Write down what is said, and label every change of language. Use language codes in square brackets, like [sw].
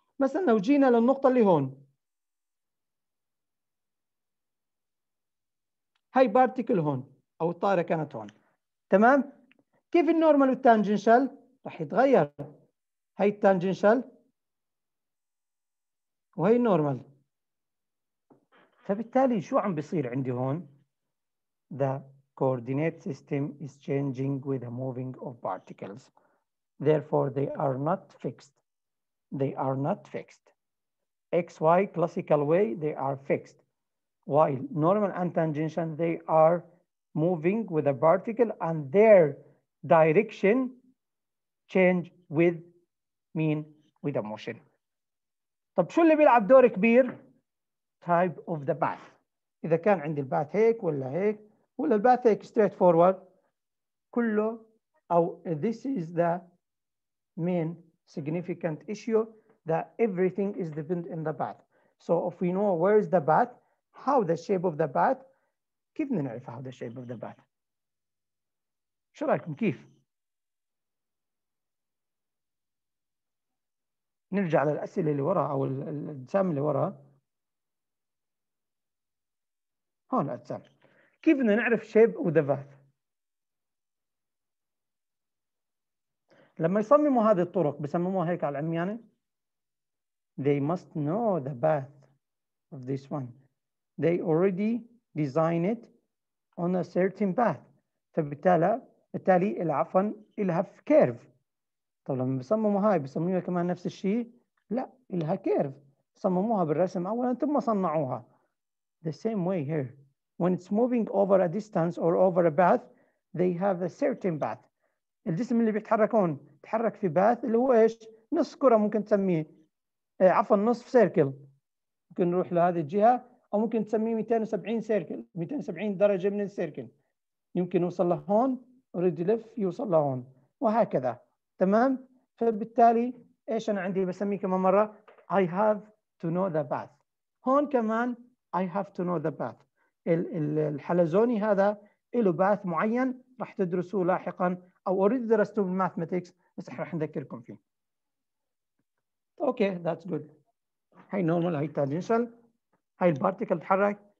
[ar] مثلا لو جينا للنقطة اللي هون، هاي بارتيكل هون أو الطائرة كانت هون، تمام؟ كيف النورمال والتانجنشال؟ رح يتغير. هاي التانجنشال وهي النورمال، فبالتالي شو عم بيصير عندي هون؟ [en] The coordinate system is changing with the moving of particles. Therefore, they are not fixed. They are not fixed. XY classical way, they are fixed. While normal and tangential, they are moving with a particle and their direction change with mean, with a motion. [ar] طب شو اللي بيلعب دور كبير؟ [en] Type of the path. [ar] إذا كان عندي الباث هيك [en] ولا هيك ولا الباث هيك straight forward [ar] كله أو [en] this is the main significant issue that everything is dependent in the path. So if we know where is the path, how the shape of the path, [ar] كيف نعرف [en] how the shape of the path؟ [ar] شو رأيكم كيف؟ نرجع للأسئلة اللي وراء أو الأجسام اللي وراء هون الأجسام. كيف بدنا نعرف شيب وذا باث؟ لما يصمموا هذه الطرق بسموها هيك على العميانة [en] they must know the path of this one. They already design it on a certain path. [ar] فبالتالي العفو إلها في كيرف. طب لما بسمموا هاي بسموها كمان نفس الشيء؟ لا، إلها كيرف. صمموها بالرسم أولا ثم صنعوها. [en] The same way here. When it's moving over a distance or over a path, they have a certain path. [ar] الجسم اللي بيتحرك هون تحرك في path اللي هو ايش؟ نص كرة ممكن تسميه. عفوا نصف سيركل. ممكن نروح لهذه الجهة أو ممكن تسميه 270 سيركل، 270 درجة من السيركل. يمكن يوصل لهون، [en] already left [ar] يوصل لهون. وهكذا. تمام؟ فبالتالي ايش أنا عندي بسميه كمان مرة؟ [en] I have to know the path. [ar] هون كمان [en] I have to know the path. [ar] الحلزوني هذا له باث معين راح تدرسوه لاحقا او اوريدي درستوه بالماثماتكس بس راح نذكركم فيه. [en] Okay that's good. [ar] هاي نورمال، هاي تانجنشال، هاي البارتيكل تحرك.